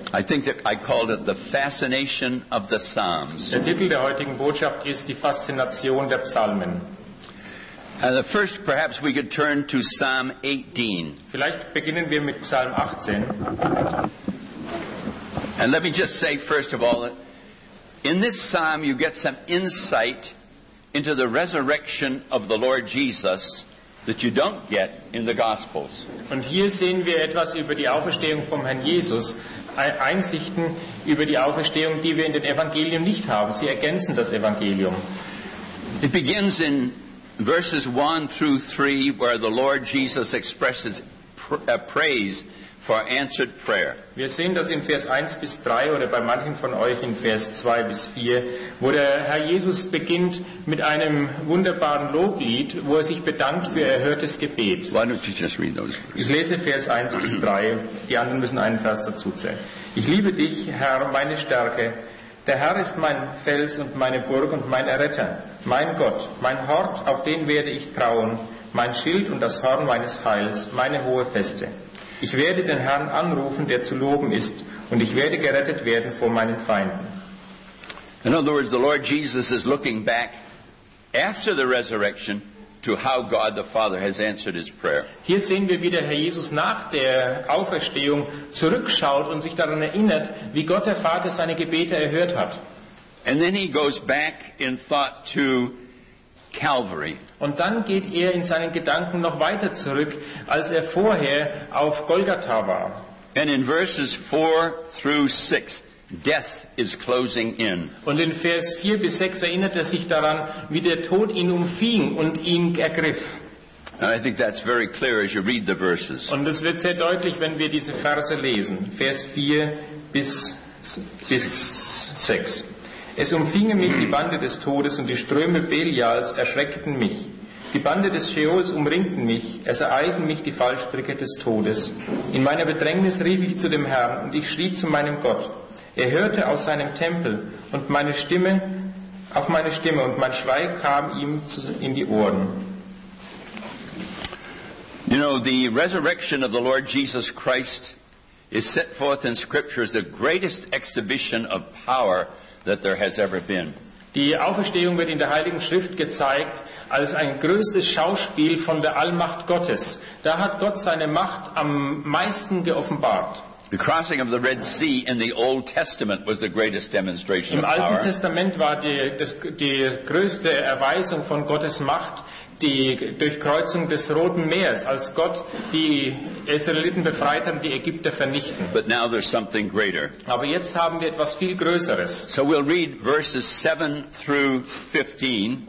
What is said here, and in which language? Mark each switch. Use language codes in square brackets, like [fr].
[en] I think that I called it the fascination of the Psalms. [de] Der Titel der heutigen Botschaft ist die Faszination der Psalmen. [en] And the first, perhaps we could turn to Psalm 18. [de] Vielleicht beginnen wir mit Psalm 18. [en] And let me just say first of all that in this psalm you get some insight into the resurrection of the Lord Jesus that you don't get in the Gospels. [de] Und hier sehen wir etwas über die Auferstehung vom Herrn Jesus, Einsichten über die Auferstehung, die wir in den Evangelien nicht haben. Sie ergänzen das Evangelium. [en] It begins in verses 1 through 3 where the Lord Jesus expresses praise for answered prayer. [de] Wir sehen das in Vers 1 bis 3 oder bei manchen von euch in Vers 2 bis 4, wo der Herr Jesus beginnt mit einem wunderbaren Loblied, wo er sich bedankt für erhörtes Gebet. [en] Why don't you just read those? [de] Ich lese Vers 1 bis 3, die anderen müssen einen Vers dazu zählen. Ich liebe dich, Herr, meine Stärke. Der Herr ist mein Fels und meine Burg und mein Erretter, mein Gott, mein Hort, auf den werde ich trauen, mein Schild und das Horn meines Heils, meine hohe Feste. Ich werde den Herrn anrufen, der zu loben ist, und ich werde gerettet werden vor meinen Feinden. [en] In other words, the Lord Jesus is looking back after the resurrection to how God the Father has answered his prayer. [de] Hier sehen wir, wie der Herr Jesus nach der Auferstehung zurückschaut und sich daran erinnert, wie Gott der Vater seine Gebete erhört hat. [en] And then he goes back in thought to Calvary. [de] Und dann geht er in seinen Gedanken noch weiter zurück, als er vorher auf Golgatha war. [en] And in verses 4 through 6, death is closing in. [de] Und in Vers 4 bis 6 erinnert er sich daran, wie der Tod ihn umfing und ihn ergriff. [en] And I think that's very clear as you read the verses. [de] Und es wird sehr deutlich, wenn wir diese Verse lesen. Vers 4 bis 6. Es umfingen mich die Bande des Todes und die Ströme Belials erschreckten mich. Die Bande des Scheols umringten mich, es ereilten mich die Fallstricke des Todes. In meiner Bedrängnis rief ich zu dem Herrn und ich schrie zu meinem Gott. Er hörte aus seinem Tempel und meine Stimme und mein Schrei kam ihm in die Ohren. [en] You know, the resurrection of the Lord Jesus Christ is set forth in Scripture as the greatest exhibition of power that there has ever been. [de] Die Auferstehung wird in der Heiligen Schrift gezeigt als ein größtes Schauspiel von der Allmacht Gottes. Da hat Gott seine Macht am meisten geoffenbart. [en] The crossing of the Red Sea in the Old Testament was the greatest demonstration [de] Im [en] of power. [de] Im Alten Testament war die größte Erweisung von Gottes Macht die Durchkreuzung des Roten Meers, als Gott die Israeliten befreit hat und die Ägypter vernichten. [en] But now there's something greater. [de] Aber jetzt haben wir etwas viel Größeres. [en] So we'll read verses 7 through 15.